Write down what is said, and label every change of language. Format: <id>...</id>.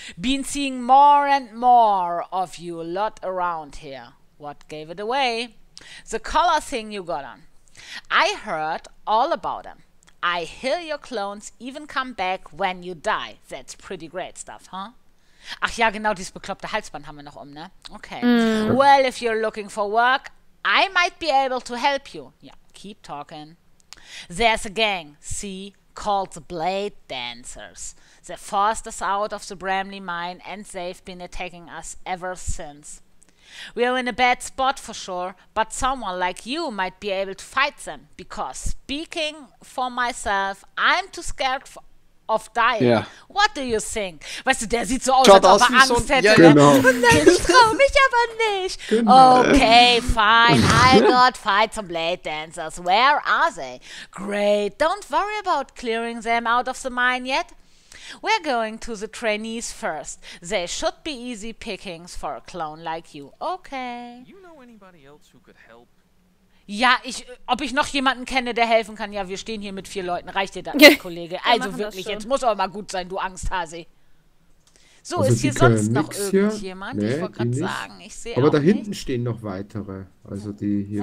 <en>Been seeing more and more of you a lot around here. What gave it away? The color thing you got on. I heard all about them. I hear your clones even come back when you die. That's pretty great stuff, huh?</en> <de>Ach ja, genau, dieses bekloppte Halsband haben wir noch um, ne?</de> <en>Okay. Mm. Well, if you're looking for work, I might be able to help you. Yeah, keep talking. There's a gang, see, called the Blade Dancers. They forced us out of the Bramley Mine and they've been attacking us ever since. We are in a bad spot for sure, but someone like you might be able to fight them. Because speaking for myself, I'm too scared for... of dying. Yeah. What do you think?</en> <de>Weißt du, der sieht so aus, schaut als ob er Angst hätte. Ja, genau. Und dann, ich trau mich aber nicht. Genau.</de> <en>Okay, fine. I got fight some Blade Dancers. Where are they? Great. Don't worry about clearing them out of the mine yet. We're going to the trainees first. They should be easy pickings for a clone like you. Okay. You know anybody else who could help?</en> <de>Ja, ob ich noch jemanden kenne, der helfen kann. Ja, wir stehen hier mit vier Leuten. Reicht dir das, ja, Kollege? Also wirklich, jetzt muss auch mal gut sein, du Angsthase. So, also ist hier sonst noch irgendjemand? Nee, ich wollte gerade sagen, ich sehe aber auch da hinten nicht. Stehen noch weitere. Also die hier.</de>